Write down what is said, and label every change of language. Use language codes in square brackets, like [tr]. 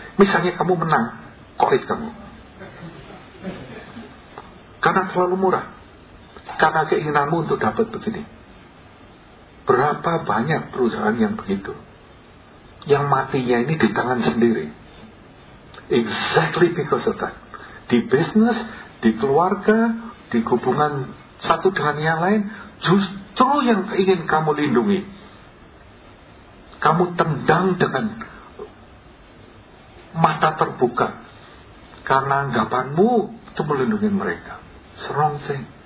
[id] Misalnya kamu menang, koit kamu. Karena terlalu murah. Karena keinginanmu untuk dapat begini. Berapa banyak perusahaan yang begitu? Yang matinya ini di tangan sendiri. [en] Exactly because of that. [id] Di bisnis, di keluarga, di hubungan satu dengan yang lain, justru yang ingin kamu lindungi, kamu tendang dengan mata terbuka, karena anggapanmu itu melindungi mereka. [en] It's a wrong thing.